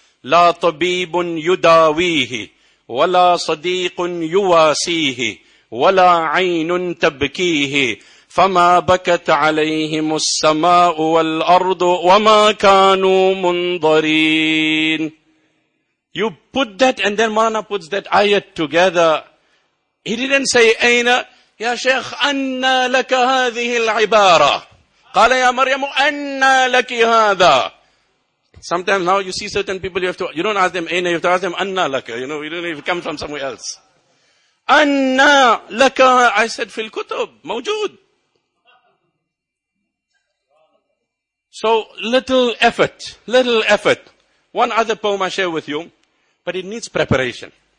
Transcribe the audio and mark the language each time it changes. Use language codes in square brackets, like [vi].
[ar] لا طبيب يداويه ولا صديق يواسيه ولا عين تبكيه فما بكت عليهم السماء والأرض وما كانوا منظرين. [en] You put that and then Maulana puts that ayat together. He didn't say [ar] أين يا شيخ أن لك هذه العبارة. قال يا مريم أن لك هذا. [en] Sometimes now you see certain people, you don't ask them Aina, you have to ask them Anna Laka. You know, you don't even come from somewhere else. Anna Laka, I said, [ar] Fil Kutub, Mawjood. [en] So, little effort. One other poem I share with you, but it needs preparation.